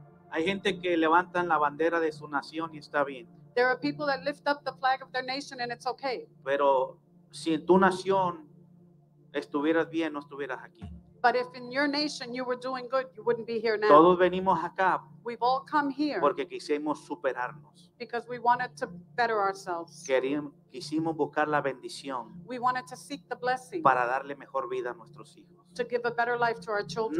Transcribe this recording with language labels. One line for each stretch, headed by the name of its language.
Spanish: Hay gente que levantan la bandera de su nación y está bien.
English: There are people that lift up the flag of their nation and it's okay.
Spanish: Pero si en tu nación estuvieras bien, no estuvieras aquí.
English: But if in your nation you were doing good, you wouldn't be here now.
Spanish: Todos venimos acá.
English: We've all come here.
Spanish: Porque quisimos superarnos.
English: Because we wanted to better ourselves.
Spanish: Quisimos buscar la bendición.
English: We wanted to seek the blessing.
Spanish: Para darle mejor vida a nuestros hijos.
English: To give a better life to our children.